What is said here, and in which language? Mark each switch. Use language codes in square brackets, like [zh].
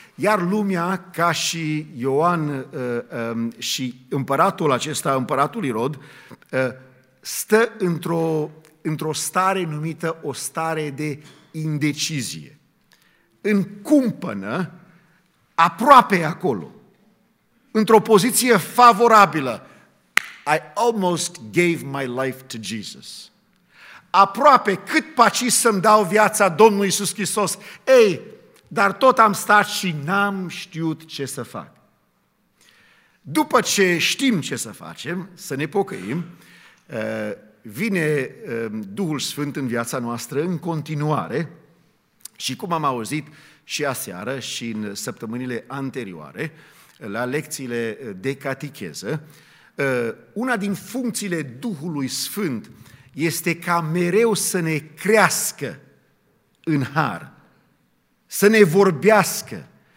[ro] Iar lumea, ca și Ioan și împăratul acesta, împăratul Irod, stă într-o stare numită o stare de indecizie. În cumpănă, aproape acolo, într-o poziție favorabilă. [en] I almost gave my life to Jesus. [ro] Aproape, cât paci să-mi dau viața Domnului Iisus Hristos. Ei, dar tot am stat și n-am știut ce să fac. După ce știm ce să facem, să ne pocăim, vine Duhul Sfânt în viața noastră în continuare și cum am auzit și aseară și în săptămânile anterioare, la lecțiile de catecheză, una din funcțiile Duhului Sfânt este ca mereu să ne crească în har, să ne vorbească.